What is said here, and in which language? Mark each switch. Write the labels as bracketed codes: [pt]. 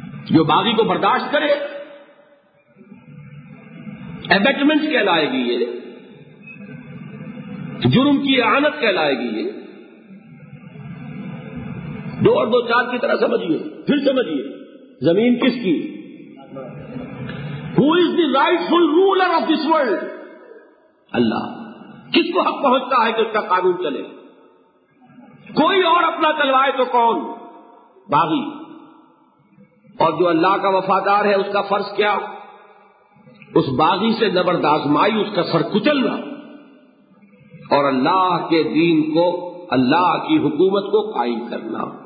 [ur] جو باغی کو برداشت کرے ایبٹمنٹ کہلائے گی، یہ جرم کی اعانت کہلائے گی. یہ دو اور دو چار کی طرح سمجھیے، پھر سمجھیے زمین کس کی. [en] Who is the rightful ruler of this world؟ اللہ. [ur] کس کو حق پہنچتا ہے کہ اس کا قانون چلے؟ کوئی اور اپنا چلوائے تو کون؟ باغی. اور جو اللہ کا وفادار ہے اس کا فرض کیا؟ اس باغی سے زبرد آزمائی، اس کا سر کچلنا، اور اللہ کے دین کو، اللہ کی حکومت کو قائم کرنا.